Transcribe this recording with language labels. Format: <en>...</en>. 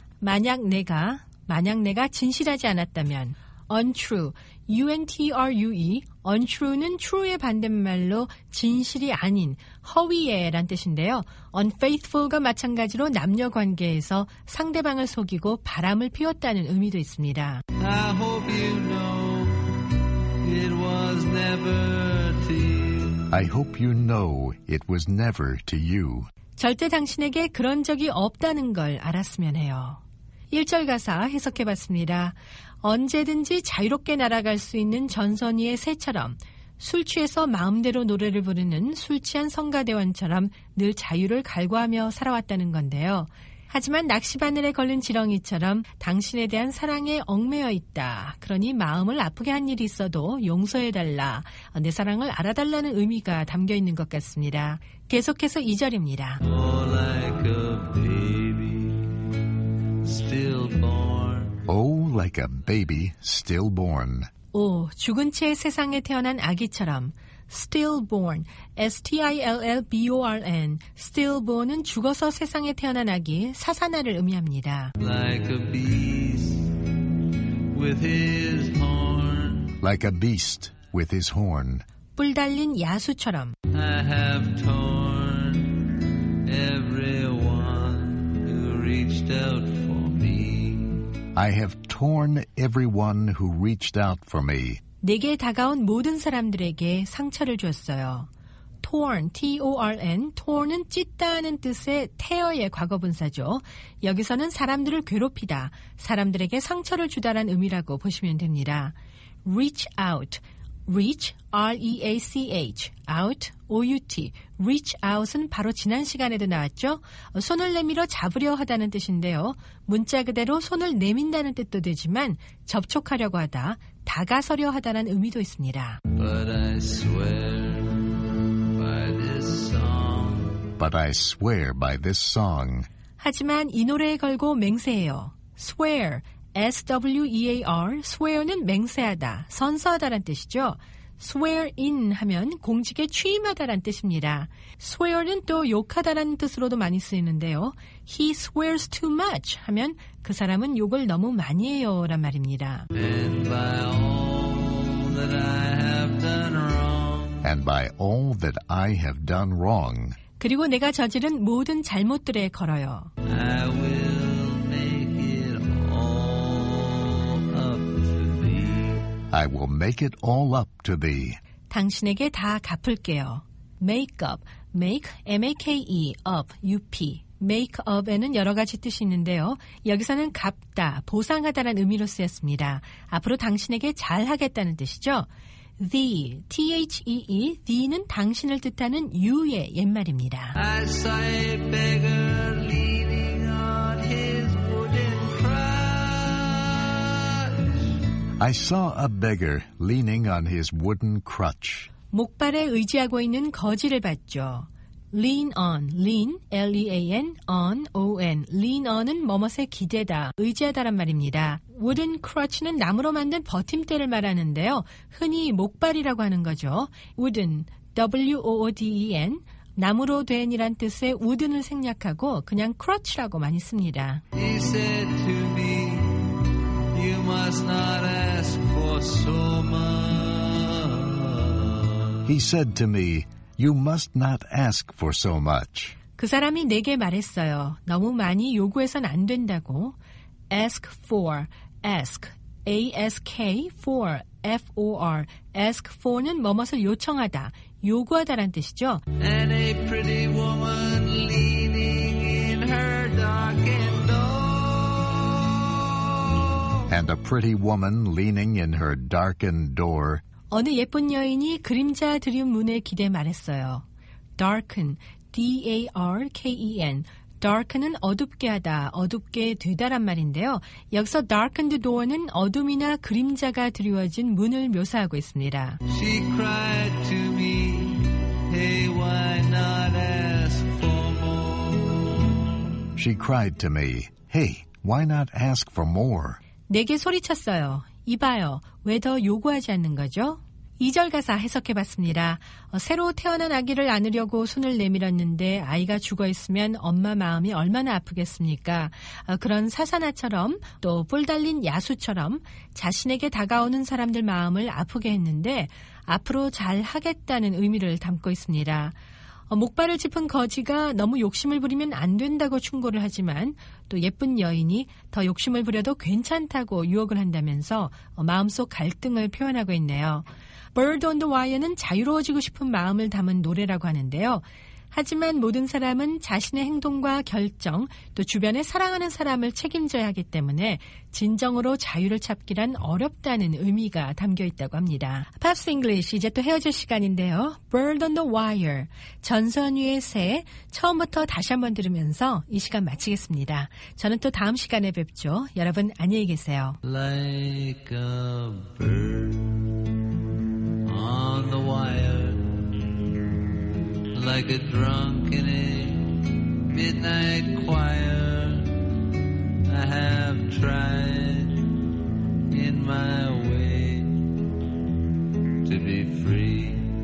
<ko>만약 내가 진실하지 않았다면, untrue, untrue, untrue는 true의 반대말로 진실이 아닌 허위에란 뜻인데요. unfaithful과 마찬가지로 남녀관계에서 상대방을 속이고 바람을 피웠다는 의미도 있습니다.</ko> <en>I hope you know it was never to you. I hope you know it was never to you.</en> <ko>절대 당신에게 그런 적이 없다는 걸 알았으면 해요. 1절 가사 해석해봤습니다. 언제든지 자유롭게 날아갈 수 있는 전선위의 새처럼, 술 취해서 마음대로 노래를 부르는 술 취한 성가대원처럼 늘 자유를 갈구하며 살아왔다는 건데요. 하지만 낚시바늘에 걸린 지렁이처럼 당신에 대한 사랑에 얽매여 있다. 그러니 마음을 아프게 한 일이 있어도 용서해달라. 내 사랑을 알아달라는 의미가 담겨 있는 것 같습니다. 계속해서 2절입니다.</ko> <en>Like a baby, still born. Oh, like a baby still born.</en> <ko>오, 죽은 채 세상에 태어난 아기처럼.</ko> <en>Stillborn, S-T-I-L-L-B-O-R-N.</en> <ko>Stillborn은 죽어서 세상에 태어난 아기, 사산아를 의미합니다.</ko> <en>Like a beast with his horn. Like a beast with his horn.</en> <ko>뿔 달린 야수처럼.</ko> <en>I have torn everyone who reached out for me. I have torn everyone who reached out for me.</en> <ko>내게 다가온 모든 사람들에게 상처를 줬어요. torn, T-O-R-N, torn은 찢다는 뜻의 tear의 과거 분사죠. 여기서는 사람들을 괴롭히다, 사람들에게 상처를 주다란 의미라고 보시면 됩니다.</ko> <en>reach out, reach, R-E-A-C-H, out, O-U-T, reach out은</en> <ko>바로 지난 시간에도 나왔죠. 손을 내밀어 잡으려 하다는 뜻인데요. 문자 그대로 손을 내민다는 뜻도 되지만 접촉하려고 하다, 다가서려 하다는 의미도 있습니다.</ko> <en>But I swear by this song. But I swear by this song.</en> <ko>하지만 이 노래에 걸고 맹세해요. Swear, S-W-E-A-R, swear는 맹세하다, 선서하다란 뜻이죠. Swear in 하면 공직에 취임하다란 뜻입니다. Swear는 또 욕하다라는 뜻으로도 많이 쓰이는데요.</ko> <en>He swears too much</en> <ko>하면 그 사람은 욕을 너무 많이 해요란 말입니다.</ko> <en>And by all that I have done wrong. And by all that I have done wrong.</en> <ko>그리고 내가 저지른 모든 잘못들에 걸어요.</ko> <en>I will make it all up to thee. I will make it all up to thee.</en> <ko>당신에게 다 갚을게요.</ko> <en>Make up. Make, M-A-K-E, up, U-P.</en> <ko>Make up에는 여러 가지 뜻이 있는데요. 여기서는 갚다, 보상하다라는 의미로 쓰였습니다. 앞으로 당신에게 잘하겠다는 뜻이죠. The, T-H-E-E, the는 당신을 뜻하는 you의 옛말입니다.</ko> <en>I saw a beggar leaning on his wooden crutch. I saw a beggar leaning on his wooden crutch.</en> <ko>목발에 의지하고 있는 거지를 봤죠.</ko> <en>Lean on, lean, L-E-A-N, on, O-N.</en> <ko>Lean on은 뭐뭐에 기대다, 의지하다란 말입니다. Wooden crutch는 나무로 만든 버팀대를 말하는데요. 흔히 목발이라고 하는 거죠. Wooden, W-O-O-D-E-N, 나무로 된이란 뜻의 wooden을 생략하고 그냥 crutch라고 많이 씁니다.</ko> <en>He said to me, you must not ask for so much. He said to me, You must not ask for so much.</en> <ko>그 사람이 내게 말했어요. 너무 많이 요구해선 안 된다고.</ko> <en>Ask for, ask, A-S-K, for, F-O-R.</en> <ko>Ask for는 뭐뭇을 요청하다, 요구하다란 뜻이죠.</ko> <en>And a pretty woman leaning in her darkened door. And a pretty woman leaning in her darkened door.</en> <ko>어느 예쁜 여인이 그림자 드린 문에 기대 말했어요. Darken,</ko> <en>darken.</en> <ko>darken은 어둡게 하다, 어둡게 되다란 말인데요. 여기서 darkened door는 어둠이나 그림자가 드리워진 문을 묘사하고 있습니다.</ko> <en>She cried to me, hey, why not ask for more? She cried to me, hey, why not ask for more?</en> <ko>내게 소리쳤어요. 이봐요, 왜 더 요구하지 않는 거죠? 2절 가사 해석해봤습니다. 새로 태어난 아기를 안으려고 손을 내밀었는데 아이가 죽어있으면 엄마 마음이 얼마나 아프겠습니까? 그런 사사나처럼 또 뿔 달린 야수처럼 자신에게 다가오는 사람들 마음을 아프게 했는데 앞으로 잘하겠다는 의미를 담고 있습니다. 목발을 짚은 거지가 너무 욕심을 부리면 안 된다고 충고를 하지만 또 예쁜 여인이 더 욕심을 부려도 괜찮다고 유혹을 한다면서 마음속 갈등을 표현하고 있네요. Bird on the Wire는 자유로워지고 싶은 마음을 담은 노래라고 하는데요. 하지만 모든 사람은 자신의 행동과 결정, 또 주변에 사랑하는 사람을 책임져야 하기 때문에 진정으로 자유를 찾기란 어렵다는 의미가 담겨 있다고 합니다. Pops English, 이제 또 헤어질 시간인데요. Bird on the Wire, 전선 위의 새, 처음부터 다시 한번 들으면서 이 시간 마치겠습니다. 저는 또 다음 시간에 뵙죠. 여러분, 안녕히 계세요.</ko> <en>Like a bird on the wire, like a drunk in a midnight choir, I have tried in my way to be free.</en>